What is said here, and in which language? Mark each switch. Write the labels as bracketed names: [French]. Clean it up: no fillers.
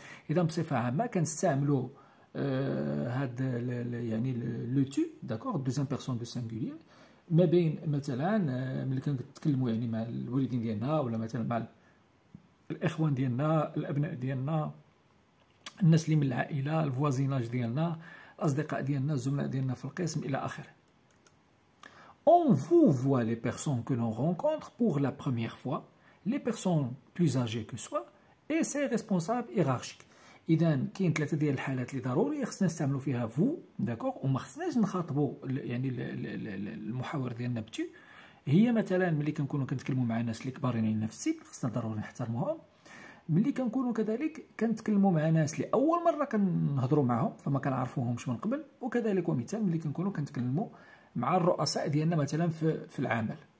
[Arabic] اذا بصفة عامة كنستعملوا هاد يعني [French] لو تو داكوغ دوزيام بيرسون دو سانغولير [Arabic] ما بين مثلا ملي كنتكلموا يعني مع الوالدين ديالنا ولا مثلا مع الاخوان ديالنا الابناء ديالنا الناس اللي من العائلة الفوازيناج ديالنا الأصدقاء ديالنا الزملاء ديالنا في القسم إلى آخره. [French] On vous voit les personnes que l'on rencontre pour la première fois, les personnes plus âgées que soi et ses responsables hiérarchiques. [Arabic] إذا كاين ثلاثة ديال الحالات اللي ضروري خصنا نستعملوا فيها فو داكوغ، وما خصناش نخاطبوا يعني المحاور ديالنا بتو. هي مثلا ملي كنكونوا كنتكلموا مع الناس اللي كبارين علينا في السن خصنا ضروري نحترموهم. ملي كنكونوا كذلك كنتكلموا مع ناس لاول مره كنهضروا معهم فما كنعرفوهمش من قبل، وكذلك ومثال ملي كنكونوا كنتكلموا مع الرؤساء ديالنا مثلا في العمل.